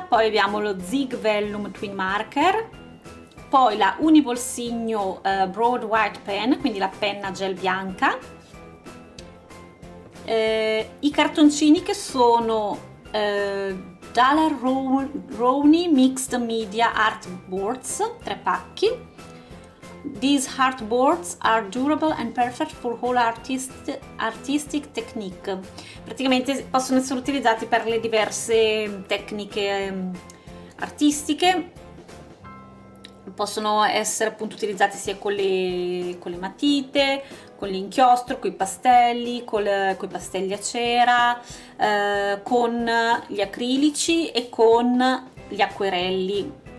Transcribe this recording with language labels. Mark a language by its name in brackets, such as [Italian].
[Italian] Poi abbiamo lo Zig Vellum Twin Marker. Poi la Unibolsigno Broad White Pen, quindi la penna gel bianca. I cartoncini che sono Dalla Rowney Mixed Media Art Boards, tre pacchi. [English] These art boards are durable and perfect for all artistic technique. [Italian] Praticamente possono essere utilizzati per le diverse tecniche artistiche. Possono essere appunto utilizzati sia con le matite, con l'inchiostro, con i pastelli, con i pastelli a cera, con gli acrilici e con gli acquerelli.